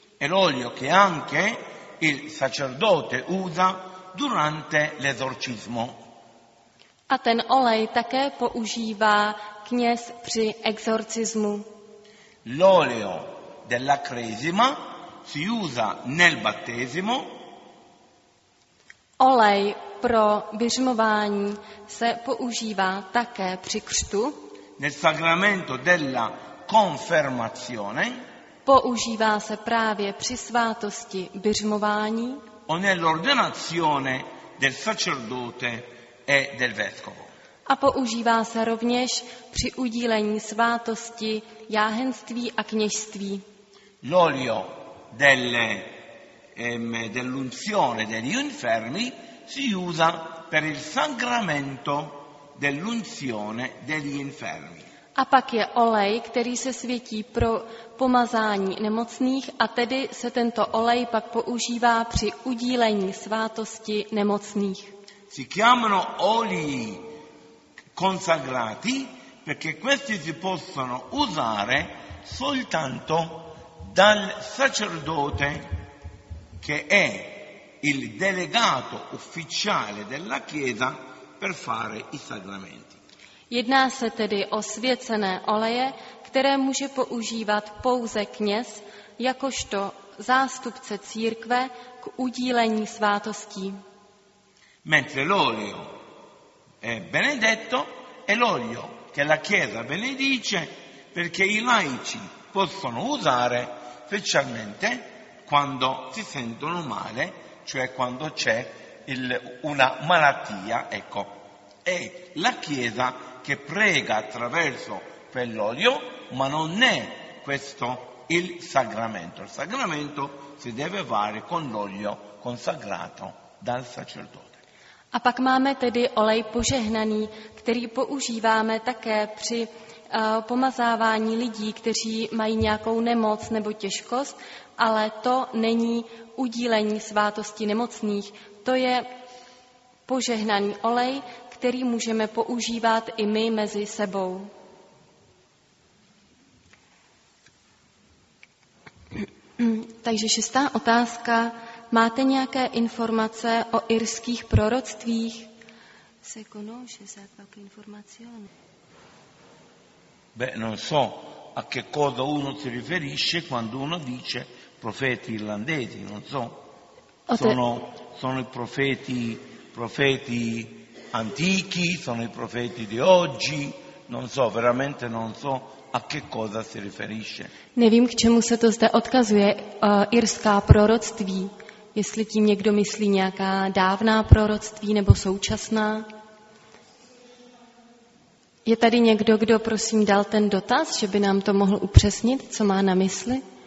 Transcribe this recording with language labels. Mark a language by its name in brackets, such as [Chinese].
[Italian] E l'olio che anche il sacerdote usa durante l'esorcismo. [Czech] A ten olej také používá kněz při exorcismu. [Italian] L'olio della cresima si usa nel battesimo. [Czech] Olej pro biřmování se používá také při křtu. [Italian] Nel sacramento della confermazione. [Czech] Používá se právě při svátosti biřmování. [Italian] O nell'ordinazione del sacerdote e del vescovo. [Czech] A používá se rovněž při udílení svátosti jáhenství a kněžství. [Italian] L'olio dell'unzione degli infermi si usa per il sacramento dell'unzione degli infermi. [Czech] A pak je olej, který se světí pro pomazání nemocných, a tedy se tento olej pak používá při udílení svátosti nemocných. [Italian] Si chiamano olii consacrati perché questi si possono usare soltanto dal sacerdote che è il delegato ufficiale della Chiesa per fare i sacramenti. [Czech] Jedná se tedy o svěcené oleje, které může používat pouze kněz jakožto zástupce církve k udílení svátostí. [Italian] Mentre l'olio è benedetto è l'olio che la Chiesa benedice perché i laici possono usare specialmente quando si sentono male, cioè quando c'è una malattia, ecco. È la Chiesa che prega attraverso quell'olio, ma non è questo il sacramento. Il sacramento si deve fare con l'olio consacrato dal sacerdote. [Czech] A pak máme tedy olej požehnaný, který používáme také při pomazávání lidí, kteří mají nějakou nemoc nebo těžkost, ale to není udílení svátosti nemocných. To je požehnaný olej, který můžeme používat i my mezi sebou. Takže šestá otázka. Máte nějaké informace o irských proroctvích? [Italian] Se conosce se qualche informazione? Beh, non so a che cosa uno si riferisce quando uno dice profeti irlandesi, non so. Sono i profeti antichi, sono i profeti di oggi, non so, veramente non so a che cosa si riferisce. [Czech] Nevím, k čemu se to zde odkazuje, irská proroctví. Jestli tím někdo myslí nějaká dávná proroctví nebo současná. Je tady někdo, kdo prosím dal ten dotaz, že by nám to mohl upřesnit, co má na mysli?